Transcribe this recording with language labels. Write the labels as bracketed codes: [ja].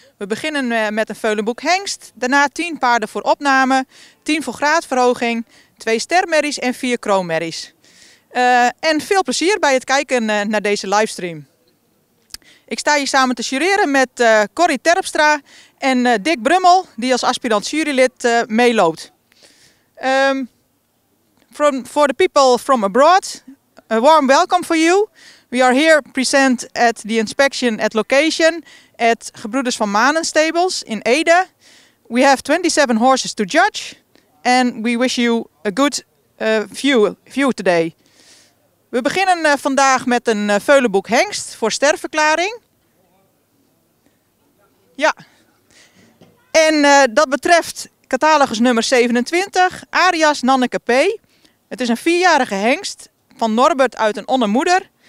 [nl] We beginnen met een veulenboek hengst. Daarna 10 paarden voor opname, 10 voor graadverhoging, 2 stermerries en 4 kroonmerries. En veel plezier bij het kijken naar deze livestream. Ik sta hier samen te jureren met Corrie Terpstra en Dick Brummel, die als aspirant jurylid meeloopt. [en] For the people from abroad, a warm welcome for you. We are here present at the inspection at location at Gebroeders van Manen Stables in Ede. We have 27 horses to judge and we wish you a good view today. [nl] We beginnen vandaag met een veulenboek hengst voor sterverklaring. Ja, en dat betreft catalogus nummer 27, Arias Nanneke P. Het is een 4-jarige hengst van Norbert uit een onnermoeder.